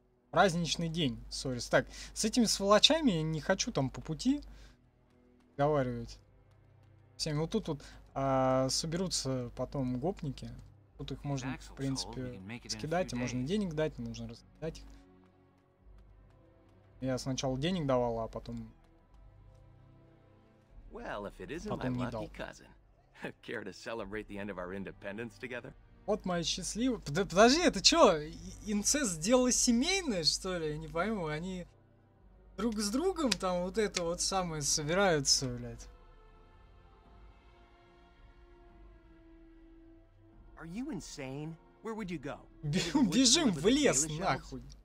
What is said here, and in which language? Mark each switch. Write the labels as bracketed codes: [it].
[ru] праздничный день, Сорис. Так, с этими сволочами я не хочу там по пути разговаривать. Всем, вот тут вот соберутся потом гопники. Тут их можно, в принципе, скидать, а можно денег дать, нужно раскидать их. Я сначала денег давал, а потом... [en] Well, if it isn't [ru] потом [en] my lucky cousin. Care to celebrate the end of our independence together? [ru] Вот моя счастливая... Подожди, это что? Инцест дело семейное, что ли? Я не пойму, они друг с другом там вот это вот самое собираются, блядь. Бежим в лес, нахуй.